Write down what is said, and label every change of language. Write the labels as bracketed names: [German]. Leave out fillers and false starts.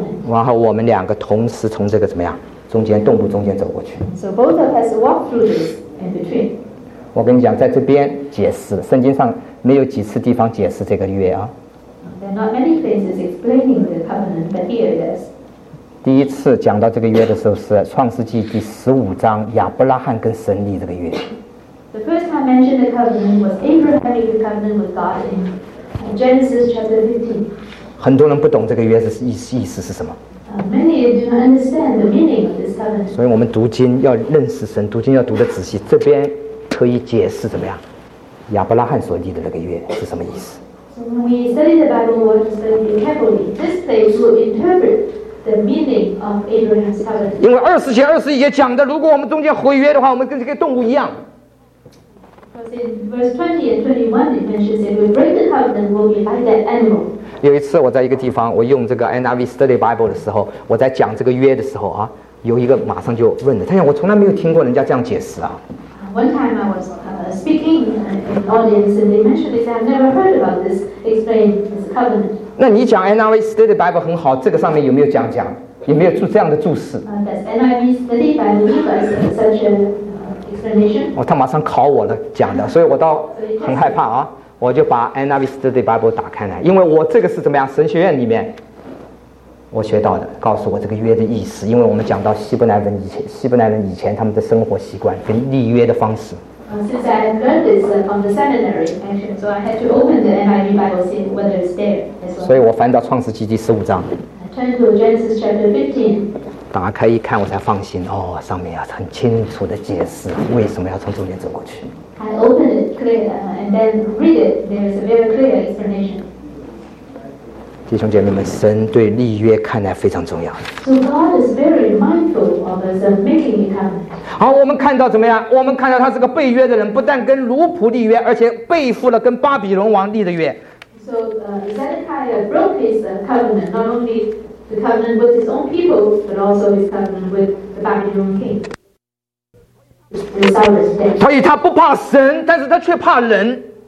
[Chinese] 然后我们两个同时从这个怎么样中间动物中间走过去。 [English] So both of us walk through this in between. [Chinese] 我跟你讲，在这边解释，圣经上没有几次地方解释这个约啊。 [English] There are not many places explaining the covenant, but here it is. [Chinese] 第一次讲到这个约的时候是创世纪第十五章亚伯拉罕跟神立这个约。 [English] The first time I mentioned the covenant was Abraham making the covenant with God in Genesis chapter 15. [Chinese] 很多人不懂这个约的意思是什么。 [English] Many do not understand the meaning of this covenant. [Chinese] 所以我们读经要认识神，读经要读得仔细。这边可以解释怎么样？亚伯拉罕所立的那个约是什么意思？ [English] So when we study the Bible, we study carefully. This place will interpret the meaning of Abraham's covenant. [Chinese] 因为20节21节讲的，如果我们中间毁约的话，我们跟这个动物一样。 [English] Because in verse 20 and 21, it mentions if we break the covenant, we'll be like that animal. [Chinese] 有一次我在一个地方，我用这个 NIV Study Bible 的时候，我在讲这个约的时候啊，有一个马上就问了，他想我从来没有听过人家这样解释啊。 [English] One time I was speaking in an audience and they mentioned this, I've never heard about this, explained this covenant. [Chinese] 那你讲 NIV Study Bible 很好，这个上面有没有讲，有没有注这样的注释？ [English] Does NIV Study Bible give us such an explanation? [Chinese] 哦，他马上考我了讲的，所以我倒很害怕啊。我就把 NIV Study Bible 打开来，因为我这个是怎么样，神学院里面我学到的，告诉我这个约的意思。因为我们讲到希伯来人以前他们的生活习惯跟立约的方式。 [English] Since I learned this from the seminary actually, so I had to open the NIV Bible see whether it's there as well. [Chinese] 所以我翻到创世纪第十五章， [English] turn to Genesis chapter 15, [Chinese] 打开一看我才放心。哦，上面啊很清楚的解释为什么要从中间走过去。 [English] I opened it clear, and then read it. There is a very clear explanation. [Chinese] 弟兄姐妹们， [English] so God is very mindful of us making a covenant. [Chinese] 好，我们看到怎么样？我们看到他是个背约的人，不但跟奴仆立约，而且背负了跟巴比伦王立的约。 [English] So Zedekiah broke his covenant, not only the covenant with his own people, but also his covenant with the Babylon king. [Chinese] 所以他不怕神，但是他却怕人。